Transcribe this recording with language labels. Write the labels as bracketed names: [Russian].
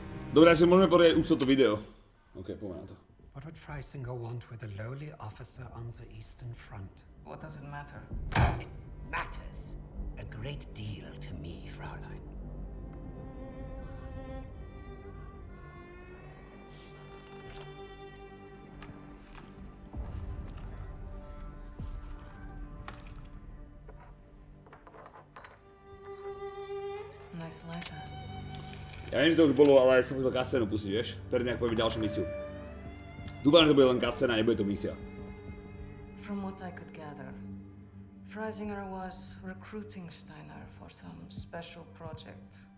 [Slovak] Dobre, asi môžeme poriadať už toto video. OK, poďme na to. [English] What would Freisinger want with a lowly officer on the Eastern Front? What does it matter? It matters a great deal to me, Fraulein. Nice letter. [Slovak] Ja neviem, že to už bolo, ale som chcel kascénu pustiť, vieš? Pred nejak povieme ďalšiu misiu. Dúfam, že to bude len kascéna, nebude to misia. [English] From what I could gather, Freisinger was recruiting Steiner for some special project.